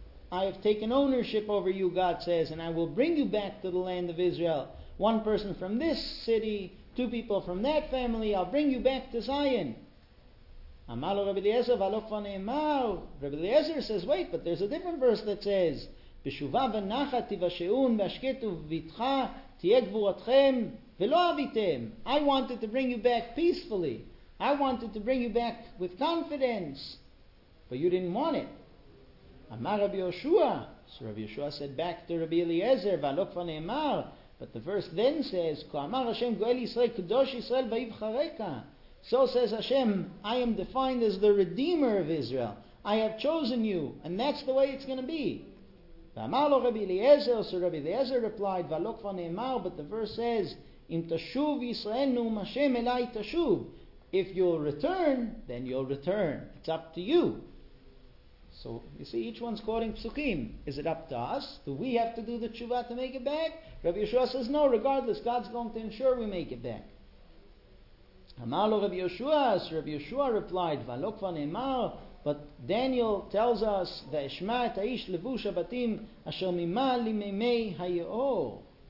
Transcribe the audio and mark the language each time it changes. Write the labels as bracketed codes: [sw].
[en] I have taken ownership over you, God says, and I will bring you back to the land of Israel. One person from this city, two people from that family, I'll bring you back to Zion. [he] Amar lo Rabbi Eliezer, v'alo kvar ne'emar. [en] Rabbi Eliezer says, wait, but there's a different verse that says, [he] בשובה ונחת תבשעון בהשקט ובבטחה תהיה גבורתכם ולא אביתם. [en] I wanted to bring you back peacefully. I wanted to bring you back with confidence. But you didn't want it. [he] אמר רבי יהושע, [en] so [he] רבי יהושע [en] said back to [he] רבי אליעזר, ולא כבר נאמר, [en] but the verse then says, [he] כה אמר השם גואל ישראל, קדוש ישראל ויבחרך. [en] So says Hashem, I am defined as the Redeemer of Israel. I have chosen you, and that's the way it's going to be. [he] ואמר לו רבי אליעזר, [en] so [he] רבי אליעזר [en] replied, [he] ולא כבר נאמר, [en] but the verse says, [he] אם תשוב ישראל נאום השם אליי תשוב. [en] If you'll return, then you'll return. It's up to you. So, you see, each one's quoting psukim. Is it up to us? Do we have to do the tshuva to make it back? Rabbi Yeshua says, no, regardless, God's going to ensure we make it back. [he] Amar lo Rabbi Yeshua, [en] so [he] Rabbi Yeshua [en] replied, [he] v'alo kva ne'emar, [en] but Daniel tells us, [he] v'eshma et ha'ish levu shabbatim asher mima limimei hayo'or.